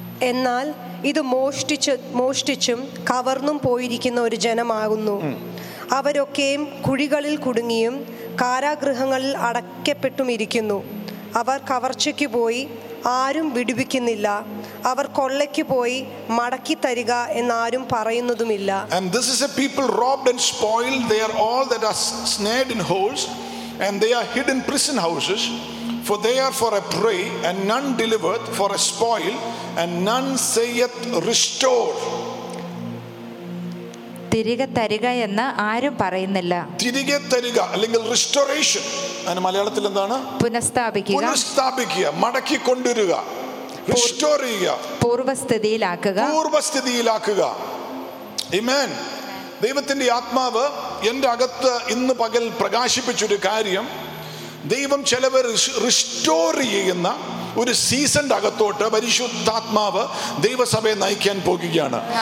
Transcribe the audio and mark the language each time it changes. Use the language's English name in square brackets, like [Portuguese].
[Malayalam] എന്നാൽ ഇത് മോഷ്ടിച്ചും കവർന്നും പോയിരിക്കുന്ന ഒരു ജനമാകുന്നു. അവരൊക്കെയും കുഴികളിൽ കുടുങ്ങിയും കാരാഗൃഹങ്ങളിൽ അടയ്ക്കപ്പെട്ടും ഇരിക്കുന്നു. അവർ കവർച്ചയ്ക്ക് പോയി ആരും വിടുവിക്കുന്നില്ല. അവർ കൊള്ളയ്ക്ക് പോയി മടക്കി തരിക എന്നാരും പറയുന്നതുമില്ല. [English] And this is a people robbed and spoiled. They are all that are snared in holes, and they are hidden prison houses. For they are for a prey, and none delivereth, for a spoil, and none saith restore. [Malayalam] തിരികെ തരിക എന്ന് ആരും പറയുന്നില്ല. തിരികെ തരിക അല്ലെങ്കിൽ restoration, അതിന് മലയാളത്തിൽ എന്താണ്? പുനഃസ്ഥാപിക്കുക, പുനഃസ്ഥാപിക്കുക, മടക്കി കൊണ്ടുവരിക. റിസ്റ്റോർ ചെയ്യുക, പൂർവസ്ഥിതിയിലാക്കുക, പൂർവസ്ഥിതിയിലാക്കുക. ആമേൻ. ദൈവത്തിന്റെ ആത്മാവ് എന്റെ അകത്ത് ഇന്ന് പകൽ പ്രകാശിപ്പിച്ചൊരു കാര്യം, ദൈവം ചിലവർ റിസ്റ്റോർ ചെയ്യുന്ന ഒരു സീസണിന്റെ അകത്തോട്ട് പരിശുദ്ധാത്മാവ് ദൈവസഭയെ നയിക്കാൻ പോകുകയാണ്.